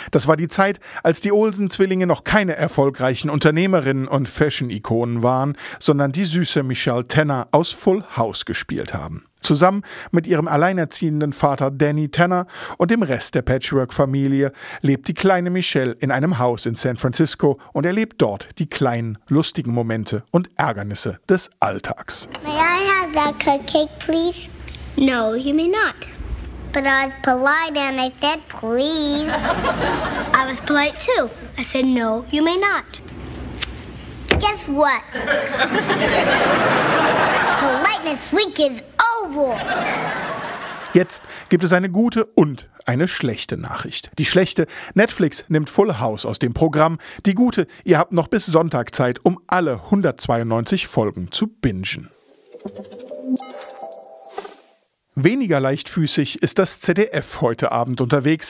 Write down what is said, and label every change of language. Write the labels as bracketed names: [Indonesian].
[German] Das war die Zeit, als die Olsen-Zwillinge noch keine erfolgreichen Unternehmerinnen und Fashion-Ikonen waren, sondern die süße Michelle Tanner aus Full House gespielt haben. Zusammen mit ihrem alleinerziehenden Vater Danny Tanner und dem Rest der Patchwork-Familie lebt die kleine Michelle in einem Haus in San Francisco und erlebt dort die kleinen, lustigen Momente und Ärgernisse des Alltags. [English] May I have that cupcake, please? No, you may not. But I was polite and I said, please. I was polite too. I said, no, you may not. Guess what? Politeness week is over. [German] Jetzt gibt es eine gute und eine schlechte Nachricht. Die schlechte: Netflix nimmt Full House aus dem Programm. Die gute: Ihr habt noch bis Sonntag Zeit, um alle 192 Folgen zu bingen. Weniger leichtfüßig ist das ZDF heute Abend unterwegs.